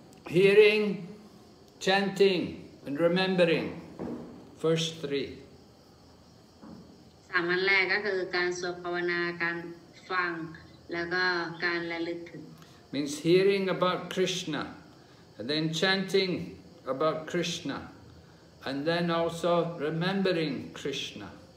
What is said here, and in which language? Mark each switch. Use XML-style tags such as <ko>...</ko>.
<en>Hearing, chanting, and remembering. First three.</en> <th>สามอันแรกก็คือการสวดภาวนาการฟังแล้วก็การระลึกถึง</th> <en>Means hearing about Krishna, and then chanting about Krishna, and then also remembering Krishna.</en>